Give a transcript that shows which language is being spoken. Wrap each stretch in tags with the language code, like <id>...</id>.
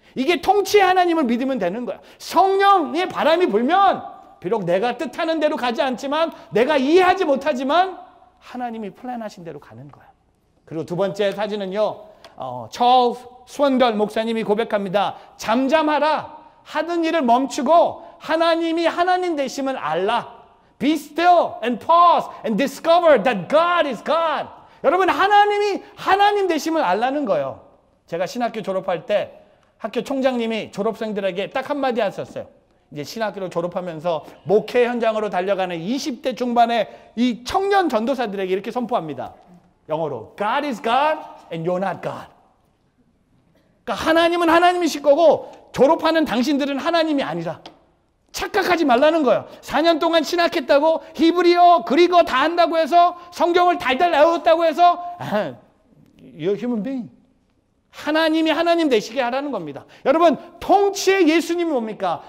<ko>이게 통치의 하나님을 믿으면 되는 거야. 성령의 바람이 불면 비록 내가 뜻하는 대로 가지 않지만 내가 이해하지 못하지만 하나님이 플랜하신 대로 가는 거야. 그리고 두 번째 사진은요. 찰스 스원별 목사님이 고백합니다. 잠잠하라. 하던 일을 멈추고 하나님이 하나님 되심을 알라.</ko> <en>Be still and pause and discover that God is God.</en> <ko>여러분 하나님이 하나님 되심을 알라는 거예요. 제가 신학교 졸업할 때 학교 총장님이 졸업생들에게 딱 한마디 하셨어요. 이제 신학교를 졸업하면서 목회 현장으로 달려가는 20대 중반의 이 청년 전도사들에게 이렇게 선포합니다. 영어로</ko> <en>God is God and you're not God.</en> <ko>그러니까 하나님은 하나님이실 거고 졸업하는 당신들은 하나님이 아니라 착각하지 말라는 거예요. 4년 동안 신학했다고 히브리어 그리고 다 한다고 해서 성경을 달달 외웠다고 해서</ko> <en>You're human being.</en> <ko>하나님이 하나님 되시게 하라는 겁니다. 여러분 통치의 예수님이 뭡니까?</ko>